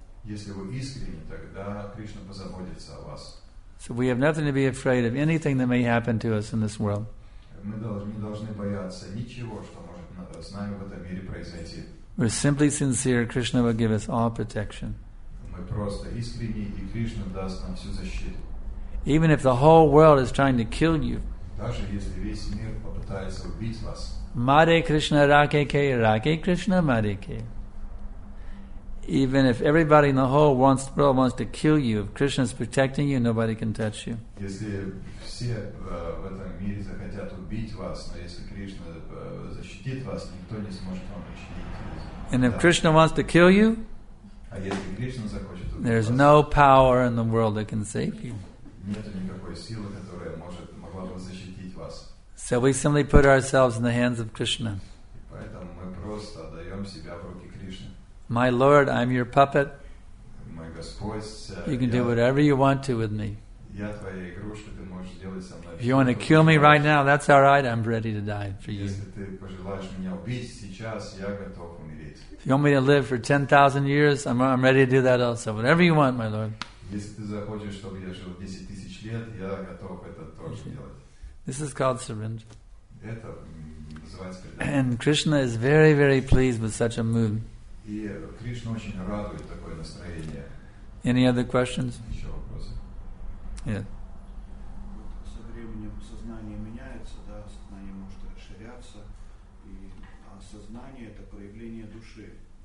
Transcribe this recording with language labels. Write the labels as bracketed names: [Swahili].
[Russian] Если вы искренне, тогда Кришна позаботится о вас. [English] So we have nothing to be afraid of anything that may happen to us in this world. [Russian] Мы не должны бояться ничего, что может с нами в этом мире произойти. [English] We're simply sincere, Krishna will give us all protection. [Russian] Мы просто искренне, и Кришна даст нам всю защиту. [English] Even if the whole world is trying to kill you. [Russian] Даже если весь мир попытается убить вас. [Bangla] Mare Krishna Rake Ke, Rake Krishna Mare Ke. [English] Even if everybody in the whole world wants to kill you, if Krishna is protecting you, nobody can touch you. [Russian] Если все в этом мире захотят убить вас, но если Кришна защитит вас, никто не сможет вам защитить. [English] And if Krishna wants to kill you, [Russian] а если Кришна захочет убить вас, [English] there's no power in the world that can save you. [Russian] Нет никакой силы, которая могла бы защитить вас. [English] So we simply put ourselves in the hands of Krishna. [Russian] И поэтому мы просто отдаем себя в руки Кришны. [English] My Lord, I'm your puppet. My [Russian] Господь, [English] you can do whatever you want to with me. [Russian] Я твоя игрушка, ты можешь делать со мной. [English] If you want to kill me right now, that's all right. I'm ready to die for you. [Russian] Если ты пожелаешь меня убить сейчас, я готов умереть. [English] If you want me to live for 10,000 years, I'm ready to do that also. Whatever you want, my Lord. [Russian] Если ты захочешь, чтобы я жил 10,000 лет, я готов это тоже делать. [English] This is called surrender. [Russian] Это называется предание. [English] And Krishna is very, very pleased with such a mood. [Russian] И Кришна очень радует такое настроение. [English] Any other questions? [Russian] Еще вопросы? Нет. Со временем сознание меняется, да, сознание может расширяться, и сознание — это проявление души.